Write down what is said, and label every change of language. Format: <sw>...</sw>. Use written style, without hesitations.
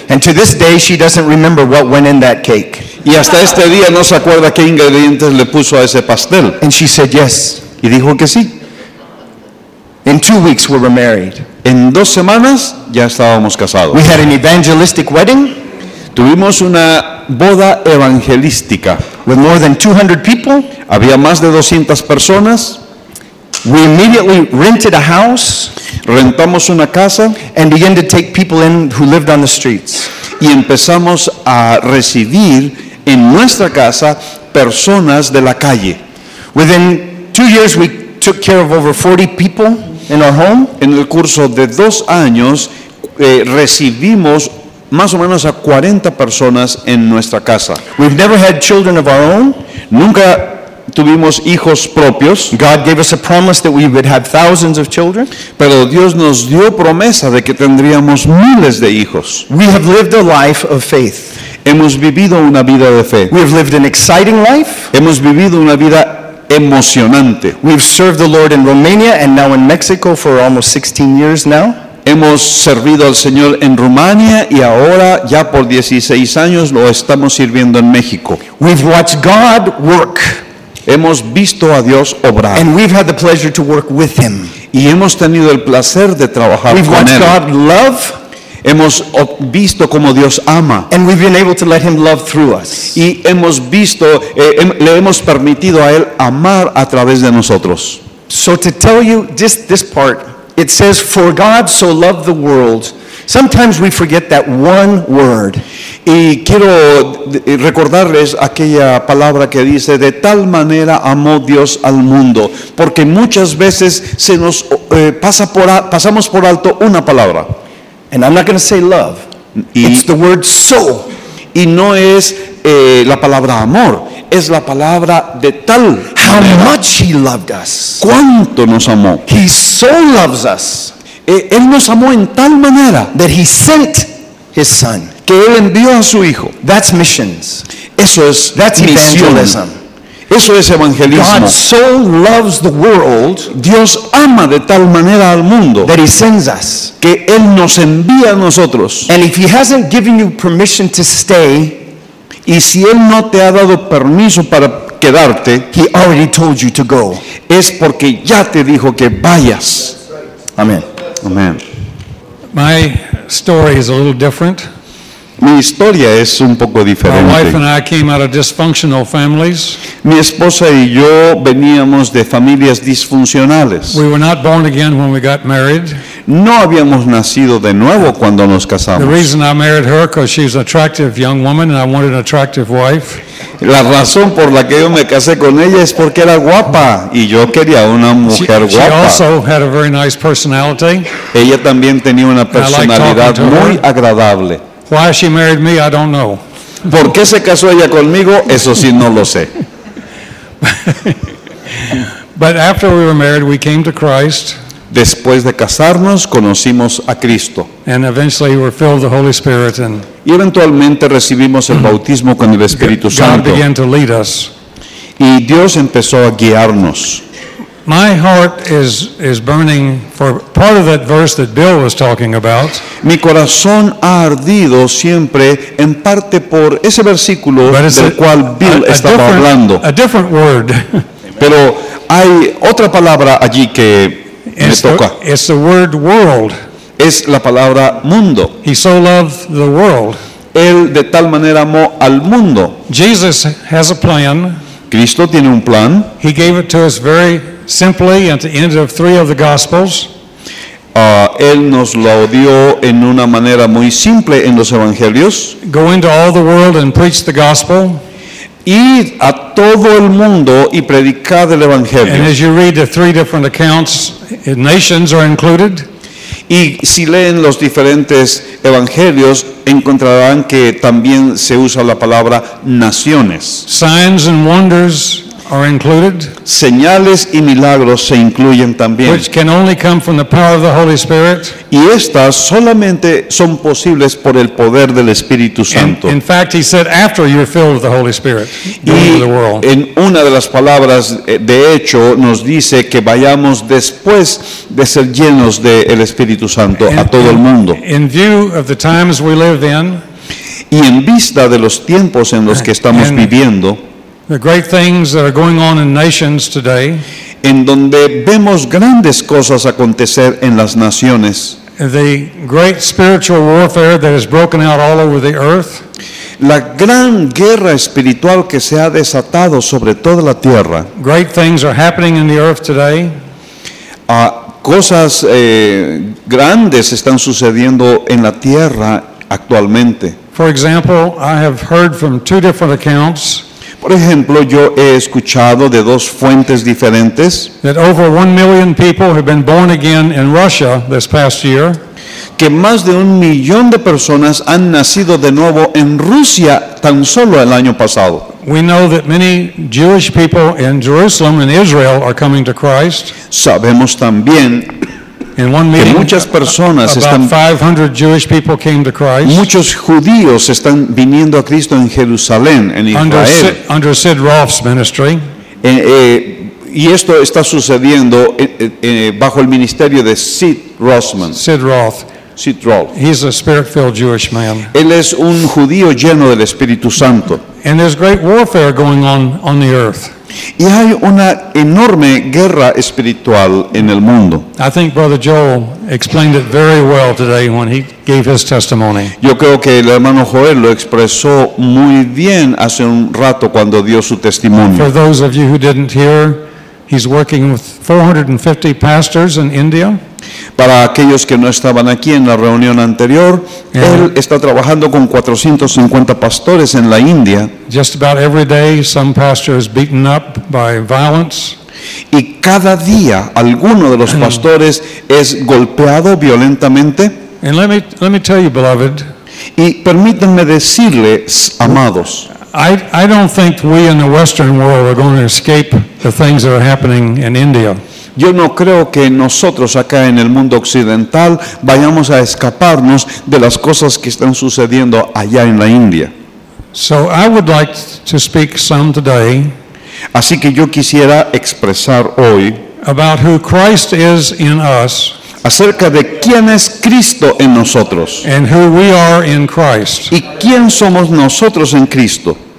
<en>And to this day she doesn't remember what went in that cake.</en> <es>Y hasta este día no se acuerda qué ingredientes le puso a ese pastel.</es> <en>And she said yes.</en> <es>Y dijo que sí.</es> <en>In 2 weeks we were married.</en> <es>En 2 semanas ya estábamos casados.</es> <en>We had an evangelistic wedding.</en> <es>Tuvimos una boda evangelística.</es> <en>With more than 200 people.</en> <es>Había más de 200 personas.</es> <en>We immediately rented a house.</en> <es>Rentamos una casa</es> <en>and began to take people in who lived on the streets.</en> <es>y empezamos a recibir en nuestra casa personas de la calle.</es> <en>Within 2 years, we took care of over 40 people in our home.</en> <es>En el curso de 2 años, recibimos más o menos a 40 personas en nuestra casa.</es> <en>We've never had children of our own.</en> <es>Nunca tuvimos hijos propios.</es> <en>God gave us a promise that we would have thousands of children.</en> <es>Pero Dios nos dio promesa de que tendríamos miles de hijos.</es> <en>We have lived a life of faith.</en> <es>Hemos vivido una vida de fe.</es> <en>We have lived an exciting life.</en> <es>Hemos vivido una vida emocionante.</es> <en>We've served the Lord in Romania and now in Mexico for almost 16 years now.</en> <es>Hemos servido al Señor en Rumania y ahora ya por 16 años lo estamos sirviendo en México.</es> <en>We've watched God work.</en> <es>Hemos visto a Dios obrar.</es> <en>And we've had the pleasure to work with him.</en> <es>Y hemos tenido el placer de trabajar con él.</es> <en>We've watched God love.</en> <es>Hemos visto cómo Dios ama.</es> <en>And we've been able to let him love through us.</en> <es>Y hemos visto, le hemos permitido a él amar a través de nosotros.</es> <en>So to tell you just this part, it says, for God so loved the world. Sometimes we forget that one word.</en> <es>Y quiero recordarles aquella palabra que dice, de tal manera amó Dios al mundo. Porque muchas veces se nos pasamos por alto una palabra.</es> <en>And I'm not going to say love. It's the word so.</en> <es>Y no es la palabra amor. Es la palabra de tal.</es> <en>How much he loved us.</en> <es>¿Cuánto nos amó?</es> <en>He so loves us.</en> <es>Él nos amó en tal manera.</es> <en>That he sent his son.</en> <es>Que él envió a su hijo.</es> <en>That's missions.</en> <es>Eso es</es> <en>That's evangelism.</en> <es>Eso es evangelismo.</es> <en>God so loves the world.</en> <es>Dios ama de tal manera al mundo.</es> <en>That he sends us.</en> <es>Que él nos envía a nosotros.</es> <en>And if he hasn't given you permission to stay.</en> <es>Y si él no te ha dado permiso para quedarte.</es> <en>He already told you to go.</en> <es>Es porque ya te dijo que vayas. Amén. Amén.</es> <en>My story is a little different.</en> <es>Mi historia es un poco diferente.</es> <en>My wife and I came out of dysfunctional families.</en> <es>Mi esposa y yo veníamos de familias disfuncionales.</es> <en>We were not born again when we got married.</en> <es>No habíamos nacido de nuevo cuando nos casamos.</es> <en>The reason I married her because she's an attractive young woman and I wanted an attractive wife.</en> <es>La razón por la que yo me casé con ella es porque era guapa y yo quería una mujer</es> <en>she</en> <es>guapa.</es> <en>She also had a very nice personality.</en> <es>Ella también tenía una personalidad muy agradable.</es> <en>Why she married me, I don't know.</en> <es>¿Por qué se casó ella conmigo? Eso sí, no lo sé.</es> <en>But after we were married, we came to Christ.</en> <es>Después de casarnos, conocimos a Cristo.</es> <en>And eventually we were filled with the Holy Spirit. And</en> <es>y eventualmente recibimos el bautismo con el Espíritu Santo.</es> <en>God began to lead us.</en> <es>Y Dios empezó a guiarnos.</es> <en>My heart is burning for part of that verse that Bill was talking about.</en> <es>Mi corazón ha ardido siempre en parte por ese versículo del cual Bill estaba hablando.</es> <en>A different word.</en> <es>Pero hay otra palabra allí que me toca.</es> <en>It's the word world.</en> <es>Es la palabra mundo.</es> <en>He so loved the world.</en> <es>Él de tal manera amó al mundo.</es> <en>Jesus has a plan.</en> <es>Cristo tiene un plan.</es> <en>He gave it to us very simply at the end of 3 of the Gospels.</en> <es>Él nos lo dio en una manera muy simple en los Evangelios.</es> <en>Go into all the world and preach the gospel.</en> <es>Ir a todo el mundo y predicar el Evangelio.</es> <en>And as you read the 3 different accounts, nations are included.</en> <es>Y si leen los diferentes evangelios, encontrarán que también se usa la palabra naciones.</es> <en>Signs and wonders are included.</en> <es>Señales y milagros se incluyen también.</es> <en>Which can only come from the power of the Holy Spirit.</en> <es>Y estas solamente son posibles por el poder del Espíritu Santo.</es> <en>In fact, he said, after you're filled with the Holy Spirit, you're into the world.</en> <es>En una de las palabras, de hecho, nos dice que vayamos después de ser llenos del Espíritu Santo a todo el mundo.</es> <en>In view of the times we live in,</en> <es>y en vista de los tiempos en los que estamos viviendo,</es> <en>the great things that are going on in nations today.</en> <es>En donde vemos grandes cosas acontecer en las naciones.</es> <en>The great spiritual warfare that has broken out all over the earth.</en> <es>La gran guerra espiritual que se ha desatado sobre toda la tierra.</es> <en>Great things are happening in the earth today.</en> <es>Cosas grandes están sucediendo en la tierra actualmente.</es> <en>For example, I have heard from two different accounts.</en> <es>Por ejemplo, yo he escuchado de dos fuentes diferentes.</es> <en>That over 1 million people have been born again in Russia this past year.</en> <es>Que más de 1 million de personas han nacido de nuevo en Rusia tan solo el año pasado.</es> <en>We know that many Jewish people in Jerusalem and Israel are coming to Christ.</en> <es>Sabemos también</es> <en>in one meeting,</en> <es>que muchas personas están,</es> <en>500 Jewish people came to Christ.</en> <es>Muchos judíos están viniendo a Cristo en Jerusalén, en Israel.</es> <en>Under Sid Roth's ministry.</en> <es>Y esto está sucediendo bajo el ministerio de Sid Rothman.</es> <en>Sid Roth. He's a spirit-filled Jewish man.</en> <es>Él es un judío lleno del Espíritu Santo.</es> <en>And there's great warfare going on the earth.</en> <es>Y hay una enorme guerra espiritual en el mundo.</es> <en>I think Brother Joel explained it very well today when he gave his testimony.</en> <es>Yo creo que el hermano Joel lo expresó muy bien hace un rato cuando dio su testimonio.</es> <en>For those of you who didn't hear, he's working with 450 pastors in India.</en> <es>Para aquellos que no estaban aquí en la reunión anterior, yeah. Él está trabajando con 450 pastores en la India.</es> <en>Just about every day, some pastor is beaten up by violence.</en> <es>Y cada día, alguno de los pastores es golpeado violentamente.</es> <en>And let me tell you, beloved.</en> <es>Y permítanme decirles, amados.</es> <en>I don't think we in the Western world are going to escape the things that are happening in India.</en> <es>Yo no creo que nosotros acá en el mundo occidental vayamos a escaparnos de las cosas que están sucediendo allá en la India.</es> <en>So I would like to speak some today.</en> <es>Así que yo quisiera expresar hoy</es> <en>about who Christ is in us.</en> <es>Acerca de quién es Cristo en nosotros.</es> <en>And who we are in Christ.</en> <es>Y quién somos nosotros en Cristo.</es>